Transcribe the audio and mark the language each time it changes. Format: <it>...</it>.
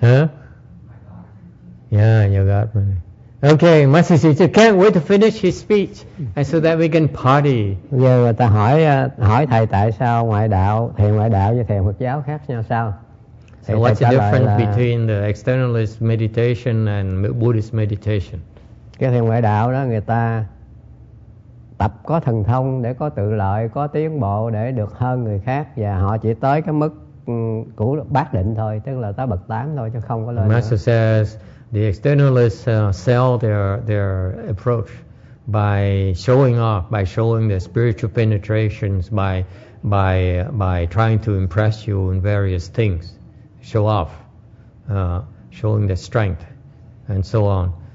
<en>Huh? Yeah, you got money. Okay, Master Sisi can't wait to finish his speech and so that we can party.</en> <vi>Giờ người ta hỏi thầy tại sao thiền ngoại đạo với thiền Phật giáo khác nhau sao?</vi> <en>So what's the difference between the externalist meditation and Buddhist meditation?</en> <vi>Cái thiền ngoại đạo đó người ta tập có thần thông để có tự lợi, có tiến bộ để được hơn người khác và họ chỉ tới cái mức của bát định thôi, tức là tới bậc tám thôi chứ không có lên.</vi> <en>Master says the externalists sell their approach by showing off, by showing their spiritual penetrations, by trying to impress you in various things, show off, showing their strength. and so on.</en>